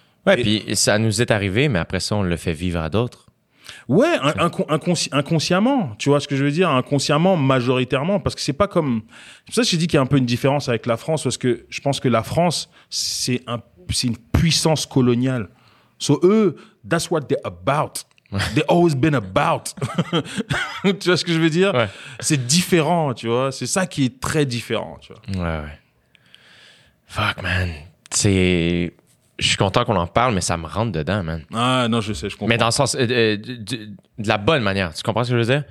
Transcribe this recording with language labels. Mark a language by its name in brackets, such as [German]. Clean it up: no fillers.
[French] Ouais, puis ça nous est arrivé, mais après ça, on le fait vivre à d'autres. Ouais, inconsciemment, tu vois ce que je veux dire? Inconsciemment, majoritairement, parce que c'est pas comme... C'est pour ça que je dis qu'il y a un peu une différence avec la France, parce que je pense que la France, c'est une puissance coloniale. [English] So, eux, that's what they're about. They've always been about. [French] Tu vois ce que je veux dire? Ouais. C'est différent, tu vois? C'est ça qui est très différent, tu vois? Ouais, ouais. Fuck, man. C'est... Je suis content qu'on en parle, mais ça me rentre dedans, man. Ah non, je sais, je comprends. Mais dans le sens de la bonne manière, tu comprends ce que je veux dire?